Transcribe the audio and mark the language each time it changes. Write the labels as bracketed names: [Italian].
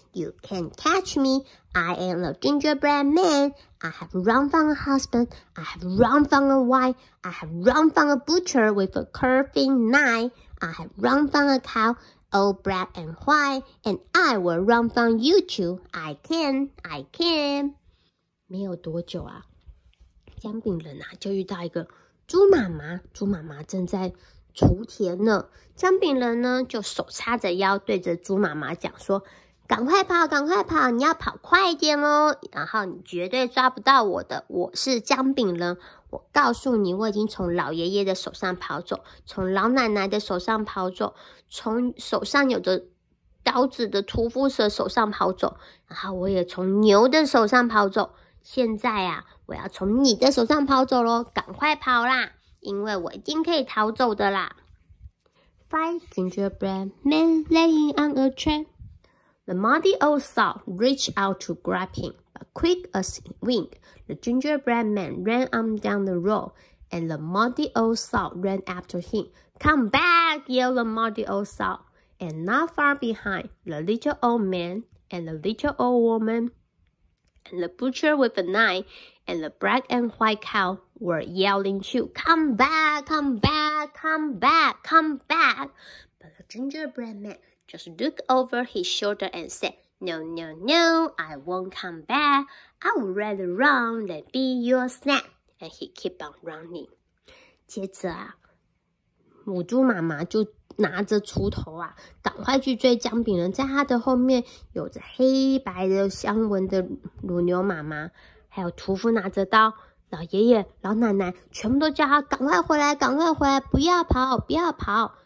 [English] You can't catch me. I am the gingerbread man. I have run from a husband. I have run from a wife. I have run from a butcher with a curving knife. I have run from a cow, all black and white. And I will run from you too. I can, I can." [Chinese] 没有多久啊，姜饼人啊就遇到一个猪妈妈，猪妈妈正在锄田呢。姜饼人呢就手叉着腰对着猪妈妈讲说，赶快跑，赶快跑，你要跑快一点哦，然后你绝对抓不到我的，我是姜饼人，我告诉你，我已经从老爷爷的手上跑走，从老奶奶的手上跑走，从手上有着刀子的屠夫蛇手上跑走，然后我也从牛的手上跑走，现在啊，我要从你的手上跑走咯，赶快跑啦，因为我一定可以逃走的啦。 [English] Five gingerbread men laying on a train. The muddy old sow reached out to grab him, but quick as wink, the gingerbread man ran on down the road, and the muddy old sow ran after him. Come back, yelled the muddy old sow. And not far behind, the little old man and the little old womanAnd the butcher with a knife and the black and white cow were yelling too, "Come back, come back, come back, come back." But the gingerbread man just looked over his shoulder and said, "No, no, no, I won't come back. I would rather run than be your snack." And he kept on running. [Chinese] 接着啊，母猪妈妈就拿着锄头啊，赶快去追姜饼人。在他的后面有着黑白的相纹的乳牛妈妈，还有屠夫拿着刀，老爷爷、老奶奶全部都叫他赶快回来，赶快回来，不要跑，不要跑。